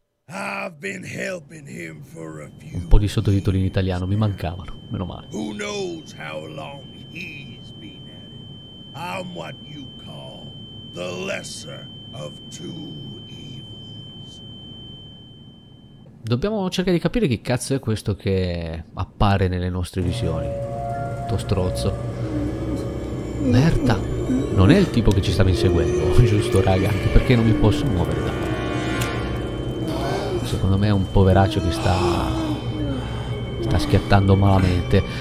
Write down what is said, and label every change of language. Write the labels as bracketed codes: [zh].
[en] I've been helping him for a few. [it] Un po' di sottotitoli in italiano mi mancavano, meno male. [en] Who knows how long he's been at it? I'm what you call the lesser of two evils. [it] Dobbiamo cercare di capire che cazzo è questo che appare nelle nostre visioni. Tutto strozzo. Merda. Non è il tipo che ci stava inseguendo, giusto, raga? Anche perché non mi posso muovere da. Secondo me è un poveraccio che sta schiattando malamente.